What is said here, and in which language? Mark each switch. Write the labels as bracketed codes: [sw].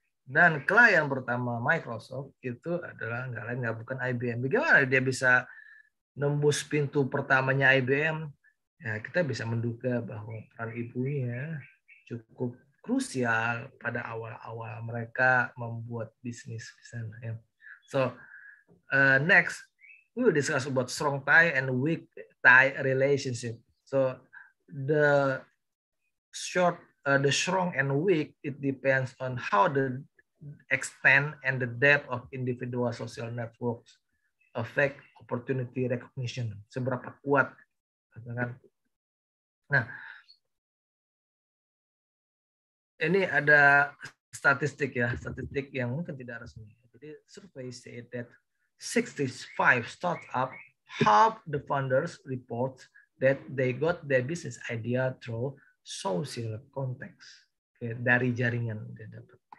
[id] Dan klien pertama Microsoft itu adalah nggak lain nggak bukan IBM. Bagaimana dia bisa nembus pintu pertamanya IBM? Ya, kita bisa menduga bahwa peran ibunya cukup krusial pada awal-awal mereka membuat bisnis di sana. Ya. [en] So next we will discuss about strong tie and weak tie relationship. So the strong and weak, it depends on how the extent and the depth of individual social networks affect opportunity recognition. [id] Seberapa kuat, katakan. Nah, ini ada statistik ya, statistik yang mungkin tidak resmi. Jadi [en] survey said that 65 startup half the founders report that they got their business idea through social contacts. [id] Okay, dari jaringan dia dapat.